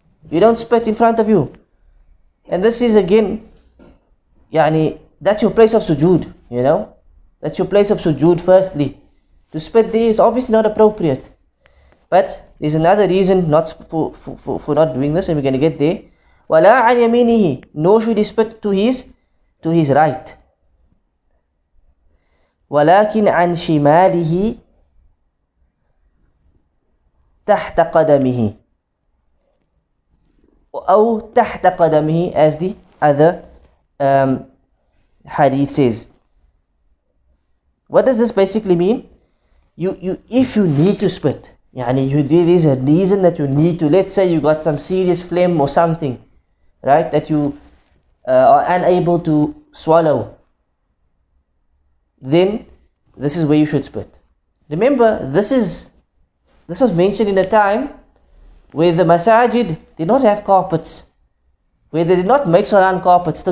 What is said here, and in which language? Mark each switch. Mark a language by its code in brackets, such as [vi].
[en] You don't spit in front of you. And this is again, yani, that's your place of sujood, you know. That's your place of sujood firstly. To spit there is obviously not appropriate. But there's another reason not for not doing this, and we're going to get there. [ar] وَلَا عَنْ يَمِينِهِ. [en] Nor should he spit to his right. [ar] ولكن عن شماله تحت قدمه أو تحت قدمه, [en] as the other hadith says. What does this basically mean? If you need to spit, يعني you, there is a reason that you need to. Let's say you got some serious phlegm or something, right? That you are unable to swallow. Then this is where you should spit. Remember, this was mentioned in a time where the masajid did not have carpets, where they did not make salah on carpets.